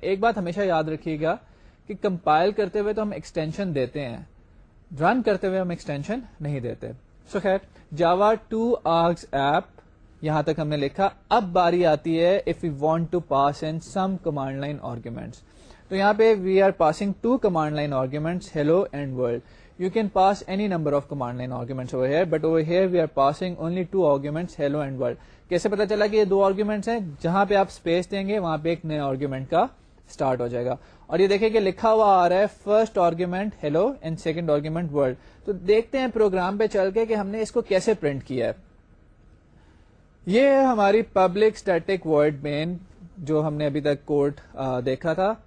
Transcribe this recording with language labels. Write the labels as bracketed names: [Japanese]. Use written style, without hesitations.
[Urdu] ایک بات ہمیشہ یاد رکھیے گا کہ کمپائل کرتے ہوئے تو ہم ایکسٹینشن دیتے ہیں, رن کرتے ہوئے ہم ایکسٹینشن نہیں دیتے. سو خیر جاوا ٹو آرگز ایپ یہاں تک ہم نے لکھا, اب باری آتی ہے [English] If you want to pass in some command line arguments. [Urdu] تو یہاں پہ [English] We are passing two command line arguments hello and world. you can pass any number of command line arguments over here, but over here we are passing only two arguments, hello and world. [Urdu] کیسے پتا چلا کہ یہ دو arguments ہیں؟ جہاں پہ آپ space دیں گے وہاں پہ ایک نئے آرگیومینٹ کا اسٹارٹ ہو جائے گا. اور یہ دیکھیں کہ لکھا ہوا آ رہا ہے first argument hello and second argument world. تو دیکھتے ہیں پروگرام پہ چل کے کہ ہم نے اس کو کیسے پرنٹ کیا ہے. یہ ہماری پبلک اسٹیٹک ورڈ مین جو ہم نے ابھی تک کوڈ دیکھا تھا.